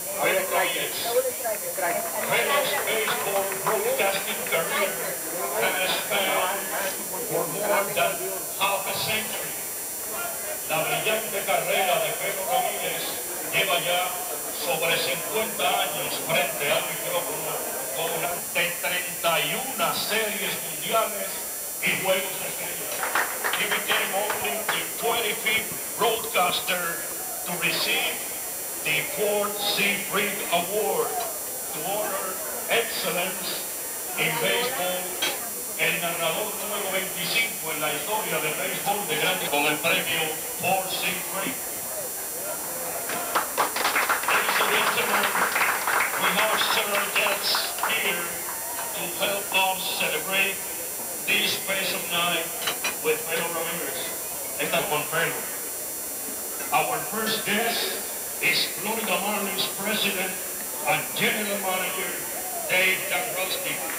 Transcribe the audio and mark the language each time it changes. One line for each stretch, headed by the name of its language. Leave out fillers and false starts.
English: Felo's baseball broadcasting career has spanned for more than half a century.
Spanish: La brillante carrera de Felo Ramírez lleva ya sobre 50 años frente al micrófono, con durante 31 series mundiales y juegos de estrellas.
English: He became only the 25th broadcaster to receive the Ford Siegfried Award to honor excellence in baseball.
Spanish: El narrador número 25 en la historia del béisbol de grandes con el premio Ford Siegfried.
English: Ladies and gentlemen, we have several guests here to help us celebrate this special night with Felo Ramírez.
Spanish: Esta con Felo.
English: Our first guest is Florida Marlins president and general manager, Dave Dombrowski.